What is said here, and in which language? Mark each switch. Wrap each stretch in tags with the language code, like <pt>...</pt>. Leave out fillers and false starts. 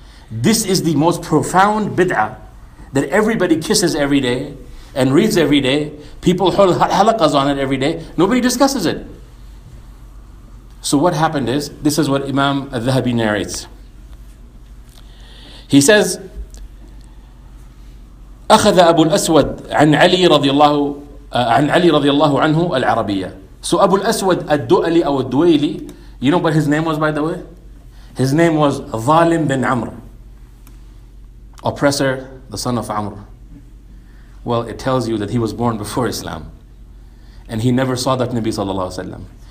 <en>This is the most profound bid'ah that everybody kisses every day and reads every day. People hold halaqas on it every day. Nobody discusses it. So what happened is, this is what Imam al-Dhahabi narrates. He says,</en> <ar>أخذ أبو الأسود عن علي رضي الله عن علي رضي الله عنه العربية.</ar> <en>So أبو الأسود الدؤلي أو الدويلي, you know what his name was, by the way? His name was ظالم بن عمر. Oppressor, the son of Amr. Well, it tells you that he was born before Islam. And he never saw that Nabi</en> <ar>صلى الله عليه وسلم.</ar>